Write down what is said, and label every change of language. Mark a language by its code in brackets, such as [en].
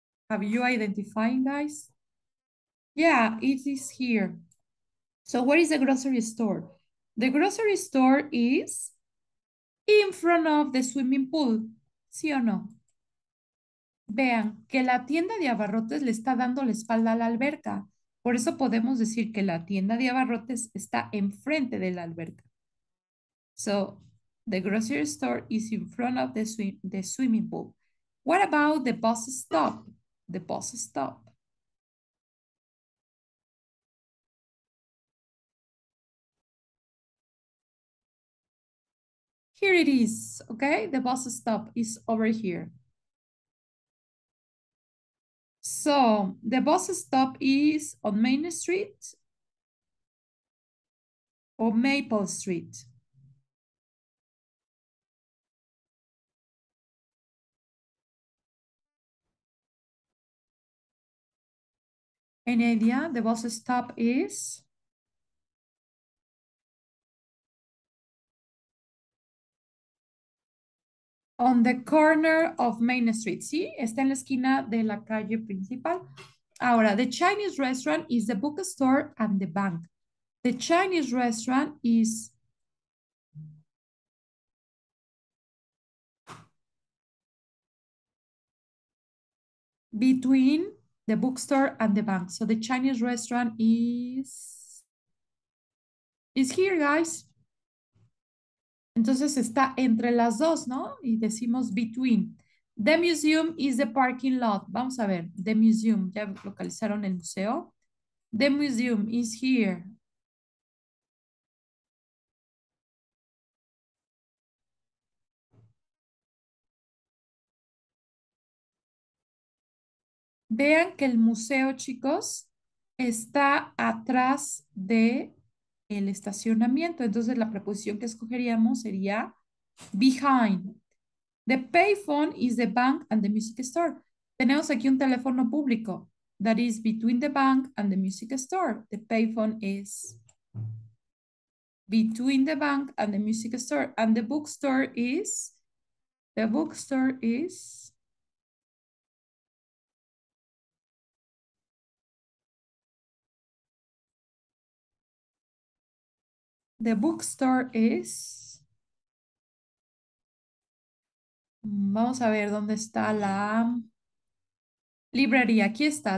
[en] Have you identified, guys? Yeah, it is here. So where is the grocery store? The grocery store is in front of the swimming pool. [es] ¿Sí o no? Vean que la tienda de abarrotes le está dando la espalda a la alberca. Por eso podemos decir que la tienda de abarrotes está enfrente de la alberca. [en] So the grocery store is in front of the swimming pool. What about the bus stop? The bus stop. Here it is, okay? The bus stop is over here. So the bus stop is on Main Street or Maple Street? Any idea? The bus stop is on the corner of Main Street. [es] ¿Sí? Está en la esquina de la calle principal. Ahora, [en] the Chinese restaurant is the bookstore and the bank. The Chinese restaurant is between the bookstore and the bank. So the Chinese restaurant is here, guys. [es] Entonces está entre las dos, ¿no? Y decimos between. [en] The museum is the parking lot. [es] Vamos a ver. [en] The museum. [es] Ya localizaron el museo. [en] The museum is here. [es] Vean que el museo, chicos, está atrás de el estacionamiento. Entonces, la preposición que escogeríamos sería behind. [en] The payphone is the bank and the music store. [es] Tenemos aquí un teléfono público. [en] That is between the bank and the music store. The payphone is between the bank and the music store. And the bookstore is, the bookstore is the bookstore is, [es] vamos a ver dónde está la librería. Aquí está.